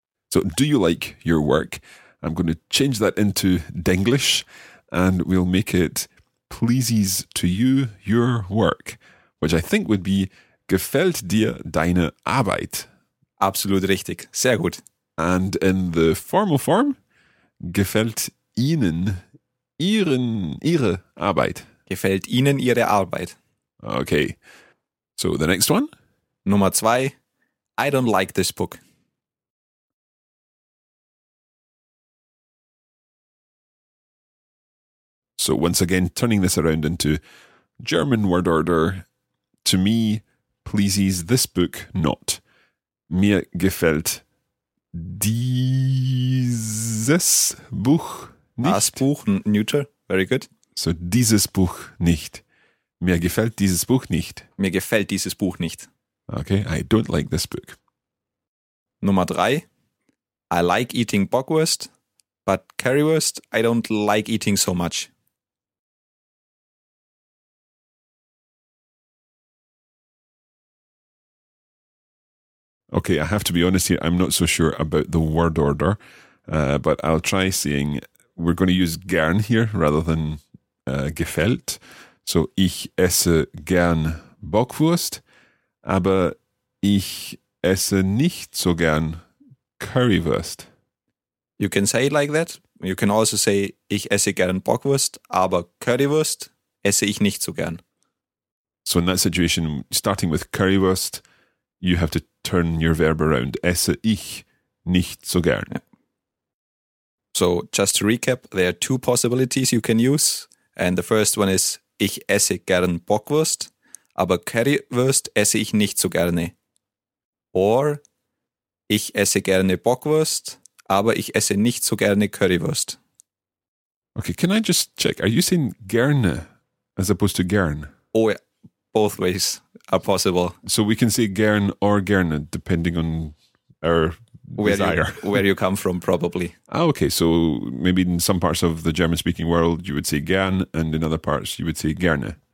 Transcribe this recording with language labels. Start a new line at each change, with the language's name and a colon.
English: So, do you like your work? I'm going to change that into Denglish, and we'll make it pleases to you your work, which I think would be
German: gefällt dir deine Arbeit. Absolut richtig. Sehr gut.
English: And in the formal form,
German: gefällt ihnen ihre Arbeit. Gefällt ihnen ihre Arbeit.
English: Okay. So the next one.
German: Nummer zwei.
English: I don't like this book. So once again, turning this around into German word order, to me pleases this book not.
German: Mir gefällt dieses Buch nicht. Das Buch,
English: neuter, very good.
German: So dieses Buch nicht. Mir gefällt dieses Buch nicht. Mir gefällt dieses Buch nicht.
English: Okay, I don't like this book.
German: Nummer drei.
English: I like eating bockwurst, but currywurst I don't like eating so much. Okay, I have to be honest here, I'm not so sure about the word order, but I'll try saying, we're going to use gern here rather than gefällt.
German: So, ich esse gern Bockwurst, aber ich esse nicht so gern Currywurst.
English: You can say it like that. You can also say,
German: ich esse gern Bockwurst, aber Currywurst esse ich nicht so gern.
English: So, in that situation, starting with Currywurst, you have to turn your verb around.
German: Esse ich nicht so gern. Yeah.
English: So, just to recap, there are two possibilities you can use. And the first one is,
German: ich esse gern Bockwurst, aber Currywurst esse ich nicht so gerne. Or, ich esse gerne Bockwurst, aber ich esse nicht so gerne Currywurst.
English: Okay, can I just check? Are you saying gerne as opposed to gern? Oh, yeah. Both ways are possible. So we can say gern or gerne, depending on our where desire. Where you come from, probably. Ah, okay. So maybe in some parts of the German-speaking world, you would say gern, and in other parts, you would say gerne.